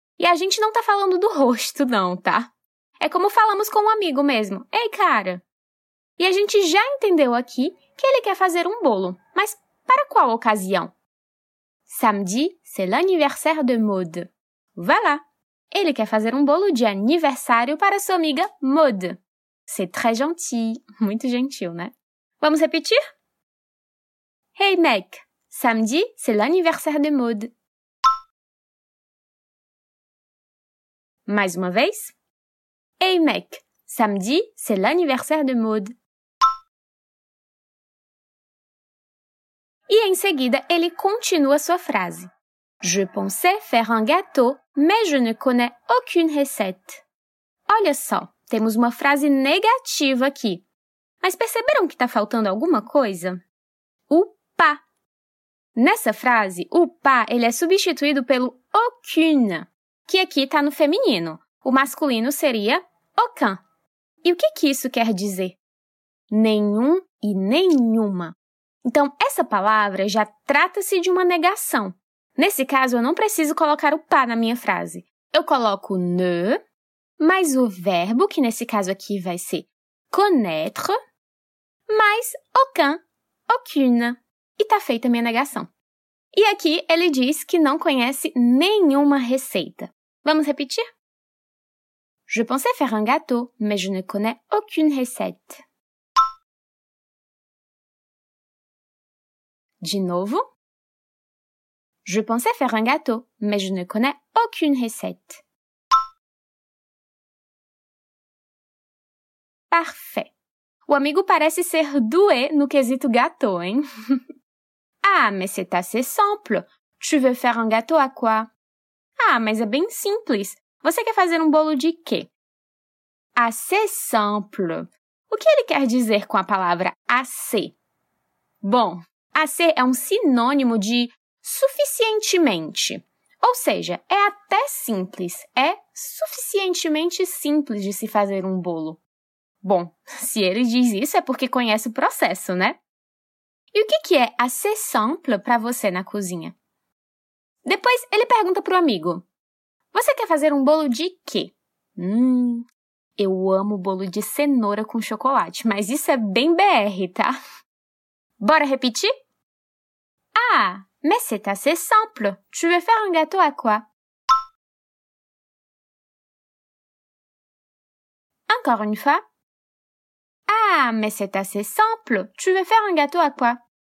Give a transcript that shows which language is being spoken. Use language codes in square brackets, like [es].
[pt] E a gente não tá falando do rosto, não, tá? É como falamos com um amigo mesmo. Ei, cara. E a gente já entendeu aqui que ele quer fazer um bolo. Mas para qual ocasião? [fr] Samedi, c'est l'anniversaire de Maud. Voilà. [pt] Ele quer fazer um bolo de aniversário para sua amiga Maud. [fr] C'est très gentil. [pt] Muito gentil, né? Vamos repetir? Hey, Mac. [fr] Samedi, c'est l'anniversaire de Maud. [pt] Mais uma vez. [fr] Hey, Mac. Samedi, c'est l'anniversaire de Maud. [pt] E em seguida, ele continua sua frase. [fr] Je pensais faire un gâteau, mais je ne connais aucune recette. [pt] Olha só, temos uma frase negativa aqui. Mas perceberam que está faltando alguma coisa? O pas. Nessa frase, o pas, ele é substituído pelo aucune, que aqui está no feminino. O masculino seria aucun. E o que, que isso quer dizer? Nenhum e nenhuma. Então, essa palavra já trata-se de uma negação. Nesse caso, eu não preciso colocar o pas na minha frase. Eu coloco ne, mais o verbo, que nesse caso aqui vai ser connaître, mais aucun, aucune. E tá feita a minha negação. E aqui ele diz que não conhece nenhuma receita. Vamos repetir? [fr] Je pensais faire un gâteau, mais je ne connais aucune recette. [pt] De novo. [fr] Je pensais faire un gâteau, mais je ne connais aucune recette. [pt] Parfait. O amigo parece ser doué no quesito gâteau, hein? [fr] Ah, mais c'est assez simple. Tu veux faire un gâteau à quoi? [pt] Ah, mas é bem simples. Você quer fazer um bolo de quê? [fr] Assez simple. [pt] O que ele quer dizer com a palavra assez? Bom, assez é um sinônimo de suficientemente. Ou seja, é até simples. É suficientemente simples de se fazer um bolo. Bom, se ele diz isso é porque conhece o processo, né? E o que é [fr] assez simple [pt] para você na cozinha? Depois, ele pergunta para o amigo. Você quer fazer um bolo de quê? Eu amo bolo de cenoura com chocolate, mas isso é bem BR, tá? Bora repetir? [fr] Ah, mais c'est assez simple. Tu veux faire un gâteau à quoi? Encore une fois. Ah, mais c'est assez simple. Tu veux faire un gâteau à quoi?